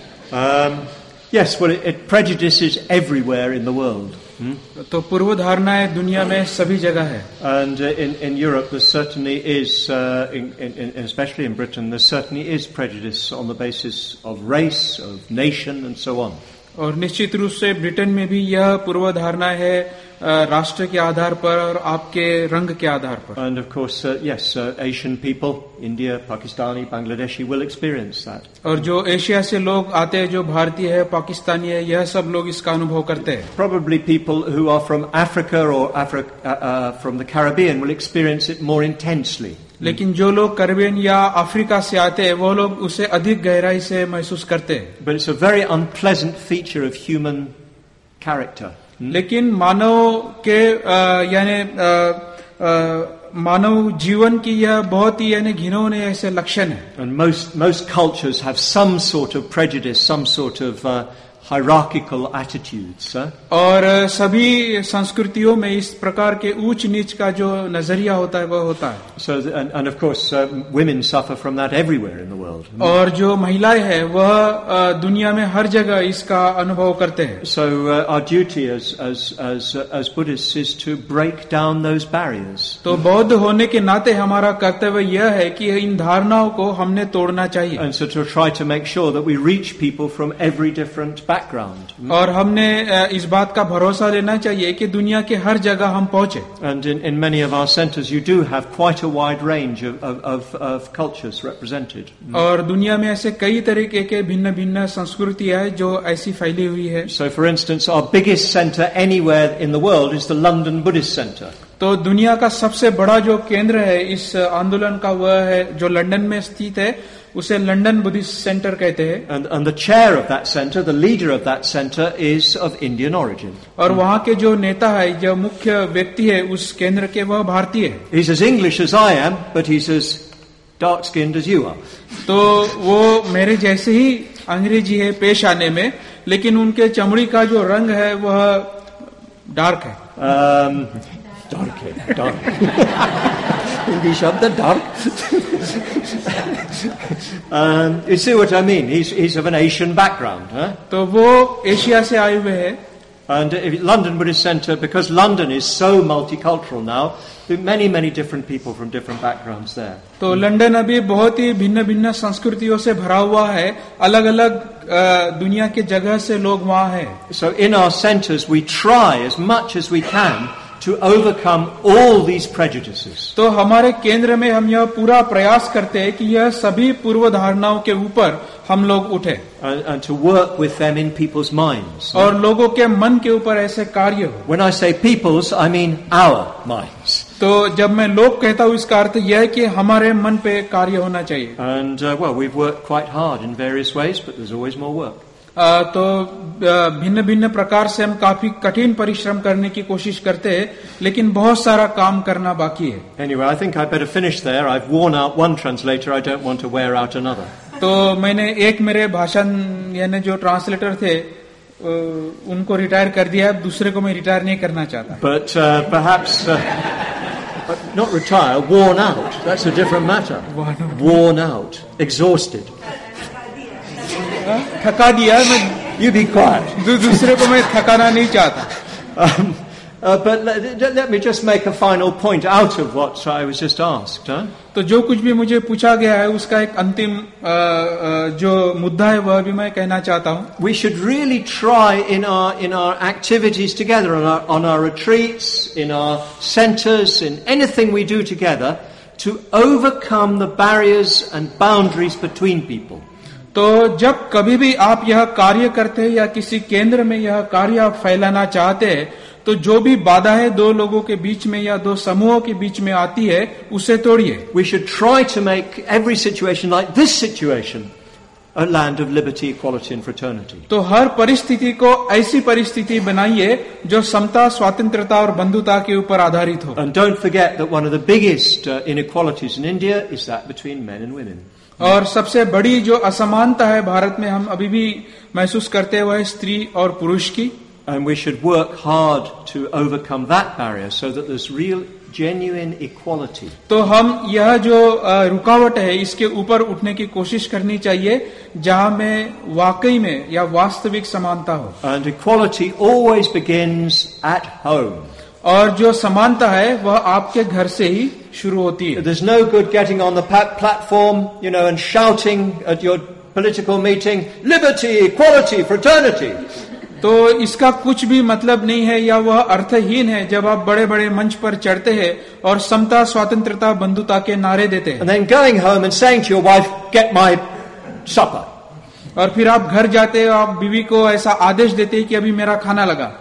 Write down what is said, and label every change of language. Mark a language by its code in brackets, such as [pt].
[en] yes, well, it prejudices everywhere in the world. [hi] तो पूर्वधारणाएं दुनिया में सभी जगह है. [en] And in Europe, there certainly is, in especially in Britain, there certainly is prejudice on the basis of race, of nation, and so on. [hi] और निश्चित रूप से ब्रिटेन में भी यह पूर्वधारणा है राष्ट्र के आधार पर और आपके रंग के आधार पर [en] And of course, yes, Asian people, India, Pakistani, Bangladeshi will experience that. [hi] और जो एशिया से लोग आते हैं जो भारतीय है पाकिस्तानी है यह सब लोग इसका अनुभव करते हैं [en] Probably people who are from Africa or from the Caribbean will experience it more intensely. [hi] लेकिन जो लोग कैरेबियन या अफ्रीका से आते हैं वो लोग उसे अधिक गहराई से महसूस करते हैं [en] But it's a very unpleasant feature of human character. [hi] लेकिन मानव के यानी मानव जीवन की यह बहुत ही यानी घिनौने ऐसे लक्षण है [en] And most cultures have some sort of prejudice, some sort of hierarchical attitudes, sir. [hi] और सभी संस्कृतियों में इस प्रकार के ऊंच नीच का जो नजरिया होता है वह होता है [en] So, and of course, women suffer from that everywhere in the world. [hi] और जो महिलाएं हैं वह दुनिया में हर जगह इसका अनुभव करते हैं [en] So, our duty as Buddhists is to break down those barriers. [hi] तो बौद्ध होने के नाते हमारा कर्तव्य यह है कि इन धारणाओं को हमने तोड़ना चाहिए [en] And so to try to make sure that we reach people from every different background [hi] और हमने इस बात का भरोसा लेना चाहिए कि दुनिया के हर जगह हम पहुंचे [en] and in many of our centers you do have quite a wide range of cultures represented [hi] और दुनिया में ऐसे कई तरीके के भिन्न-भिन्न संस्कृतियां हैं जो ऐसी फैली हुई है [en] so for instance our biggest center anywhere in the world is the London Buddhist Center [hi] तो दुनिया का सबसे बड़ा जो केंद्र है इस आंदोलन का वह है जो लंदन में स्थित है उसे लंदन बुद्धिस्ट सेंटर कहते हैं [en] and the chair of that center the leader of that center is of Indian origin [hi] और वहां के जो नेता है जो मुख्य व्यक्ति है उस केंद्र के वह भारतीय है [en] he's as English as I am but he's as dark skinned as you are [hi] तो वो मेरे जैसे ही अंग्रेजी है पेश आने में लेकिन उनके चमड़ी का जो रंग है वह डार्क है डार्क है डार्क हिंदी शब्द dark [en] you see what I mean? He's of an Asian background, huh? [hi] तो वो एशिया से आए हुए हैं. [en] And London Buddhist Center, because London is so multicultural now, many many different people from different backgrounds there. [hi] तो London अभी बहुत ही भिन्न-भिन्न संस्कृतियों से भरा हुआ है, अलग-अलग दुनिया के जगह से लोग वहाँ हैं. [en] So in our centers, we try as much as we can. To overcome all these prejudices. [hi] तो हमारे केंद्र में हम यह पूरा प्रयास करते हैं कि यह सभी पूर्वधारणाओं के ऊपर हम लोग उठे [en] and to work with them in people's minds. [hi] और लोगों के मन के ऊपर ऐसे कार्य हो [en] When I say peoples, I mean our minds. [hi] तो जब मैं लोक कहता हूँ इसका अर्थ यह है कि हमारे मन पे कार्य होना चाहिए. [en] And well, we've worked quite hard in various ways, but there's always more work. [hi] तो भिन्न भिन्न प्रकार से हम काफी कठिन परिश्रम करने की कोशिश करते हैं, लेकिन बहुत सारा काम करना बाकी है. [en] Anyway, I think I better finish there. I've worn out one translator. I don't want to wear out another. [hi] तो मैंने एक मेरे भाषण यानी जो ट्रांसलेटर थे उनको रिटायर कर दिया. अब दूसरे को मैं रिटायर नहीं करना चाहता. [en] But perhaps not retire, worn out. That's a different matter. Worn out, exhausted. [hi] थका दिया मैं. [en] You be quiet. [hi] दूसरे को मैं थकाना नहीं चाहता. [en] But let me just make a final point out of what I was just asked. [hi] तो जो कुछ भी मुझे पूछा गया है उसका एक अंतिम जो मुद्दा है वह भी मैं कहना चाहता हूँ. [en] We should really try in our activities together, on our retreats, in our centers, in anything we do together, to overcome the barriers and boundaries between people. [hi] तो जब कभी भी आप यह कार्य करते हैं या किसी केंद्र में यह कार्य आप फैलाना चाहते हैं, तो जो भी बाधा है दो लोगों के बीच में या दो समूहों के बीच में आती है उसे तोड़िए. [en] We should try to make every situation like this situation a land of liberty, equality and fraternity. [hi] तो हर परिस्थिति को ऐसी परिस्थिति बनाइए जो समता, स्वतंत्रता और बंधुता के ऊपर आधारित हो. [en] And don't forget that one of the biggest inequalities in India is that between men and women. [hi] और सबसे बड़ी जो असमानता है भारत में हम अभी भी महसूस करते हैं वह है स्त्री और पुरुष की. [en] And we should work hard to overcome that barrier so that there's real genuine equality. [hi] तो हम यह जो रुकावट है इसके ऊपर उठने की कोशिश करनी चाहिए जहां में वाकई में या वास्तविक समानता हो. [en] And equality always begins at home. [hi] और जो समानता है वह आपके घर से ही शुरू होती है. [en] There's no good getting on the platform, you know, and shouting at your political meeting, liberty, equality, fraternity. [hi] तो इसका कुछ भी मतलब नहीं है या वह अर्थहीन है जब आप बड़े बड़े मंच पर चढ़ते हैं और समता, स्वतंत्रता, बंधुता के नारे देते हैं. [en] And then going home and saying to your wife, get my supper. [hi] और फिर आप घर जाते हैं, आप बीवी को ऐसा आदेश देते हैं कि अभी मेरा खाना लगा.